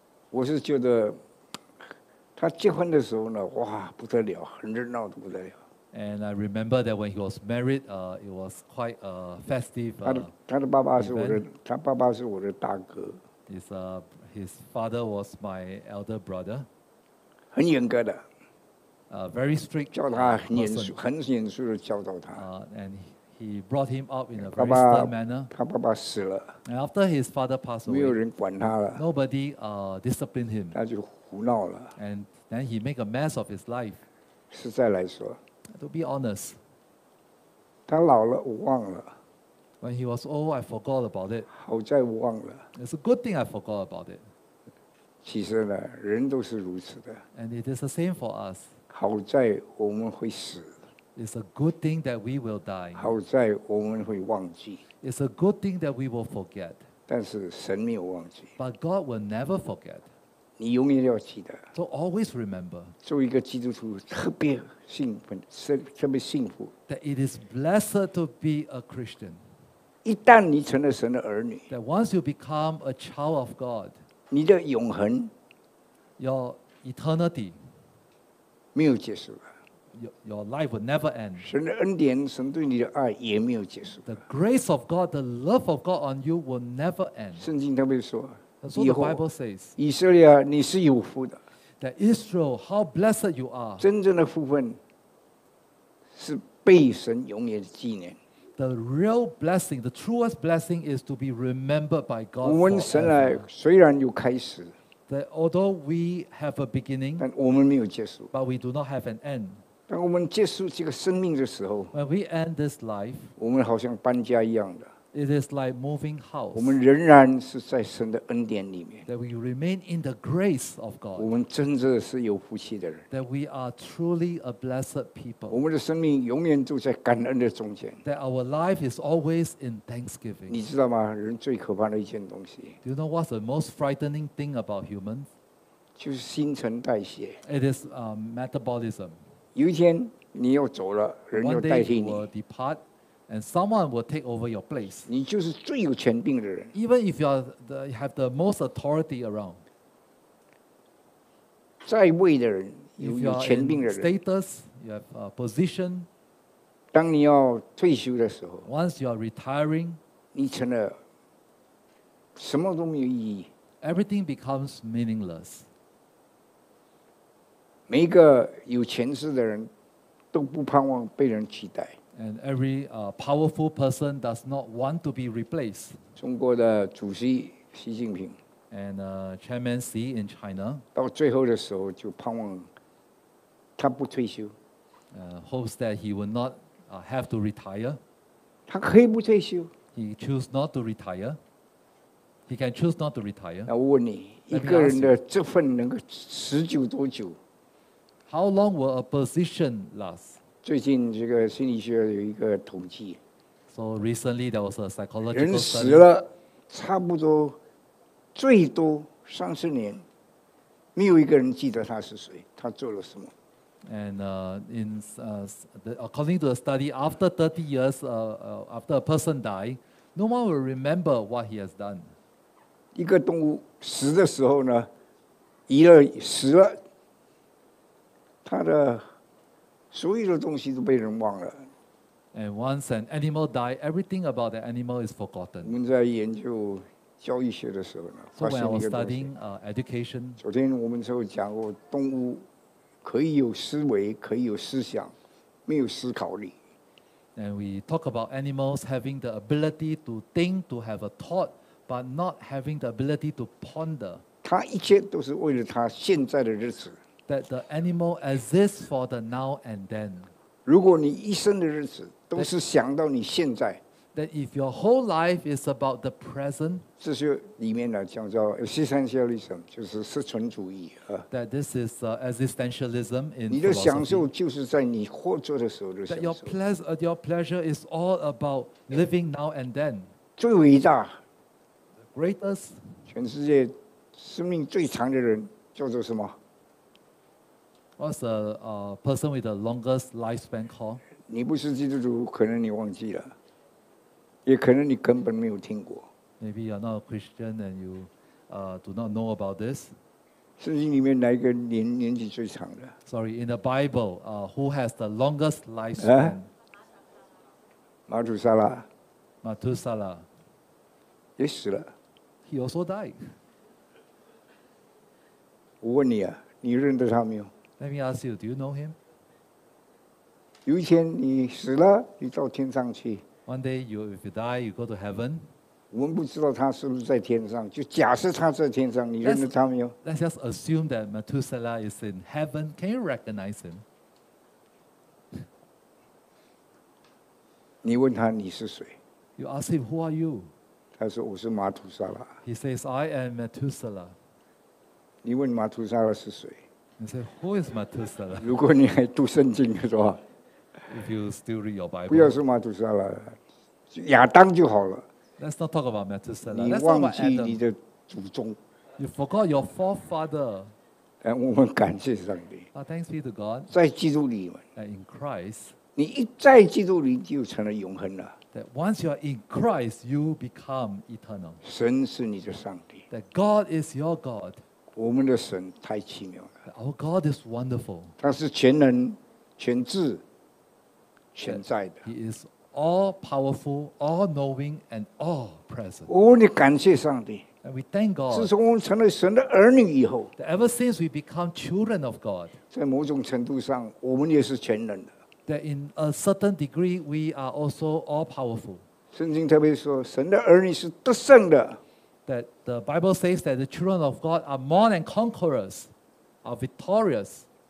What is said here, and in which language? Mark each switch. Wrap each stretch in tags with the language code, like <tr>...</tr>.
<zh>我是觉得他结婚的时候呢，哇，不得了，很热闹的不得了。</zh> <en>And I remember that when he was married, it was quite a festive.</en> <zh>他的爸爸是我的，他爸爸是我的大哥。</zh> <en>His father was my elder brother.</en> <zh>很严格的。</zh> <en>Very strict.</en> <zh>教他很严肃，很严肃的教导他。</zh> <en>And he brought him up in a very stern manner.</en> <zh>他爸爸死了。</zh> <en>And after his father passed away,</en> <zh>没有人管他了。</zh> <en>Nobody disciplined him.</en> <zh>他就胡闹了。</zh> <en>And then he make a mess of his life.</en> <zh>实在来说。</zh> <en>To be honest,</en> <zh>他老了，我忘了。</zh> <en>When he was old, I forgot about it.</en> <zh>好在我忘了。</zh> <en>It's a good thing I forgot about it.</en> <zh>其实呢，人都是如此的。</zh> <en>And it is the same for us.</en> <zh>好在我们会死。</zh> <en>It's a good thing that we will die.</en> <zh>好在我们会忘记。</zh> <en>It's a good thing that we will forget.</en> <zh>但是神没有忘记。</zh> <en>But God will never forget.</en> <zh>你永远要记得。</zh> <en>So always remember.</en> <zh>作为一个基督徒，特别兴奋，特别幸福。</zh> <en>That it is blessed to be a Christian.</en> <zh>一旦你成了神的儿女。</zh> <en>That once you become a child of God.</en> <zh>你的永恒。</zh> <en>Your eternity.</en> <zh>没有结束了。</zh> <en>Your life will never end.</en> <zh>神的恩典，神对你的爱也没有结束。</zh> <en>The grace of God, the love of God on you will never end.</en> <zh>圣经特别说，</zh> <en>That's what the Bible says.</en> <zh>以色列，你是有福的。</zh> <en>That Israel, how blessed you are.</en> <zh>真正的福分是被神永远纪念。</zh> <en>The real blessing, the truest blessing is to be remembered by God.</en> <zh>我们神来，虽然有开始。</zh> <en>That although we have a beginning,</en> <zh>但我们没有结束。</zh> <en>But we do not have an end.</en> <zh>当我们结束这个生命的时候</zh> <en>，When we end this life，</en> <zh>我们好像搬家一样的。</zh> <en>It is like moving house。</en> <zh>我们仍然是在神的恩典里面。</zh> <en>That we remain in the grace of God。</en> <zh>我们真正是有福气的人。</zh> <en>That we are truly a blessed people。</en> <zh>我们的生命永远住在感恩的中间。</zh> <en>That our life is always in thanksgiving。</en> <zh>你知道吗？人最可怕的一件东西。</zh> <en>Do you know what's the most frightening thing about humans？</en> <zh>就是新陈代谢。</zh> <en>It is metabolism。</en> <zh>有一天你要走了，人要代替你。</zh> <en>One day you will depart, and someone will take over your place.</en> <zh>你就是最有权柄的人。</zh> <en>Even if you have the most authority around,</en> <zh>在位的人有权柄的人。</zh> <en>Status, you have a position.</en> <zh>当你要退休的时候</zh> <en>，Once you are retiring,</en> <zh>你成了什么都没有意义。</zh> <en>Everything becomes meaningless.</en> <zh>每一个有权势的人都不盼望被人取代。</zh> <en>And every powerful person does not want to be replaced.</en> <zh>中国的主席习近平。</zh> <en>And Chairman Xi in China.</en> <zh>到最后的时候就盼望他不退休。</zh> <en>Hopes that he will not have to retire.</en> <zh>他可以不退休。</zh> <en>He choose not to retire. He can choose not to retire.</en> <zh>那我问你，一个人的这份能够持久多久？</zh> <en>How long will a position last?</en> <zh>最近这个心理学有一个统计。</zh> <en>So recently there was a psychological</en> <zh>study. 人死了差不多最多30年，没有一个人记得他是谁，他做了什么。</zh> <en>And in according to the study, after 30 years, after a person die, no one will remember what he has done.</en> <zh>一个动物死的时候呢，一个死了，他的所有的东西都被人忘了。</zh> <en>And once an animal died, everything about the animal is forgotten.</en> <zh>我们在研究教育学的时候呢，发现一个东西。</zh> <en>Studying education.</en> <zh>昨天我们就讲过，动物可以有思维，可以有思想，没有思考力。</zh> <en>And we talk about animals having the ability to think, to have a thought, but not having the ability to ponder.</en> <zh>它一切都是为了它现在的日子。</zh> <en>That the animal exists for the now and then.</en> <zh>如果你一生的日子都是想到你现在。</zh> <en>That if your whole life is about the present,</en> <zh>这些里面呢叫做 existentialism, 就是生存主义。</zh> <en>That this is existentialism in philosophy.</en> <zh>你的享受就是在你活着的时候的享受。</zh> <en>That your pleasure is all about living now and then.</en> <zh>最伟大</zh> <en>，the greatest,</en> <zh>全世界生命最长的人叫做什么</zh> <en>？What's a person with the longest lifespan called?</en> <zh>你不是基督徒，可能你忘记了。也可能你根本没有听过。</zh> <en>Maybe you're not a Christian and you, do not know about this.</en> <zh>圣经里面哪一个年纪最长的</zh> <en>？Sorry, in the Bible, who has the longest lifespan?</en> <zh>马土撒拉。马土撒拉。也死了。</zh> <en>He also died.</en> <zh>我问你啊，你认得他没有</zh> <en>？Let me ask you, do you know him?</en> <zh>有一天你死了，你到天上去。</zh> <en>One day, if you die, you go to heaven.</en> <zh>我们不知道他是不是在天上，就假设他在天上，你认得他没有</zh> <en>？Let's just assume that Methuselah is in heaven. Can you recognize him?</en> <zh>你问他你是谁</zh> <en>？You ask him who are you?</en> <zh>他说我是马土撒拉。</zh> <en>He says I am Methuselah.</en> <zh>你问马土撒拉是谁</zh> <en>？You say who is Methuselah?</en> <zh>如果你还读圣经的话。</zh> <en>If you still read your Bible,</en> <zh>不要说马杜撒拉，亚当就好了。</zh> <en>Let's not talk about Methuselah.</en> <zh>你忘记你的祖宗。</zh> <en>You forgot your forefather.</en> <zh>哎，我们感谢上帝。</zh> <en>But thanks be to God.</en> <zh>在基督里面。</zh> <en>And in Christ.</en> <zh>你一在基督里就成了永恒了。</zh> <en>That once you are in Christ, you become eternal.</en> <zh>神是你的上帝。</zh> <en>That God is your God.</en> <zh>我们的神太奇妙了。</zh> <en>Our God is wonderful.</en> <zh>他是全能、全智。全在的</zh> <en>He is all powerful, all knowing, and all present.</en> <zh>我们感谢上帝</zh> <en>And we thank God.</en> <zh>自从我们成了神的儿女以后</zh> <en>That ever since we become children of God.</en> <zh>在某种程度上，我们也是全能的</zh> <en>That in a certain degree, we are also all powerful.</en> <zh>圣经特别说，神的儿女是得胜的</zh> <en>That the Bible says that the children of God are more than conquerors, are victorious.</en>